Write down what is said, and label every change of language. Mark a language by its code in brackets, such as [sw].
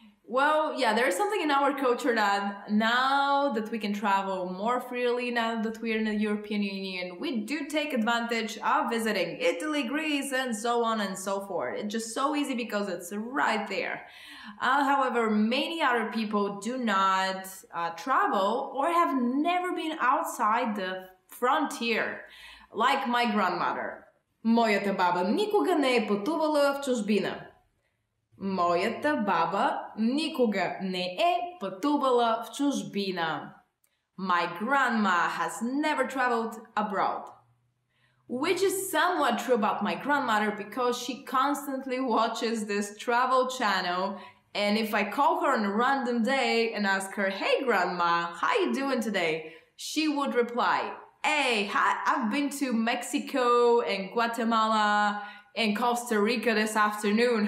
[en] Well, yeah, there is something in our culture that now that we can travel more freely, now that we are in the European Union, we do take advantage of visiting Italy, Greece, and so on and so forth. It's just so easy because it's right there. However, many other people do not travel or have never been outside the frontier, like my grandmother. [bg] Моята баба никога не е пътувала в чужбина. Моята баба никога не е пътувала в чужбина. [en] My grandma has never traveled abroad. Which is somewhat true about my grandmother because she constantly watches this travel channel. And if I call her on a random day and ask her, hey grandma, how you doing today? She would reply, hey, I've been to Mexico and Guatemala in Costa Rica this afternoon.